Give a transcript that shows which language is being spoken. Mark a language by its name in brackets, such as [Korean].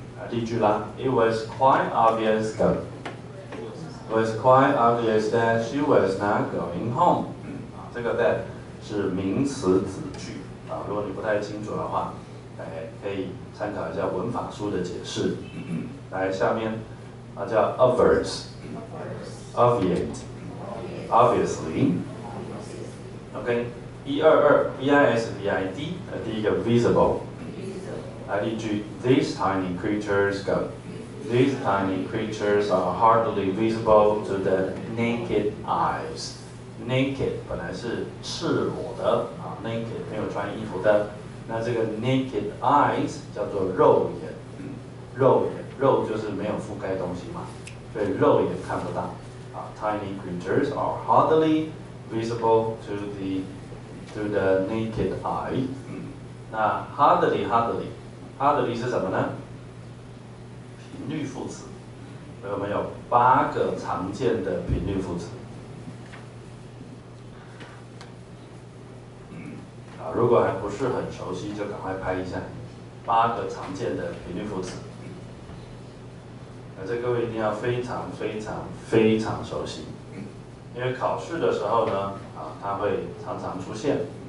[Chinese] 例句啦 [English] ，It was quite obvious that she was not going home。 [Chinese] 啊，这个 that 是名词子句啊。如果你不太清楚的话，可以参考一下文法书的解释。来，下面啊叫 obviously。 OK， 122 visvid， 第一个 visible。来例句 [English] These tiny creatures are hardly visible to the naked eyes. [Chinese] Naked 本来是赤裸的啊 ，naked 没有穿衣服的。那这个 naked eyes 叫做肉眼，肉就是没有覆盖东西嘛，所以肉眼看不到啊。 [English] Tiny creatures are hardly visible to the naked eye。 [Chinese] 那 hardly。它的意思是什么呢？频率副词，所以我们有八个常见的频率副词。如果还不是很熟悉，就赶快拍一下。八个常见的频率副词，这各位一定要非常非常非常熟悉，因为考试的时候呢，它会常常出现。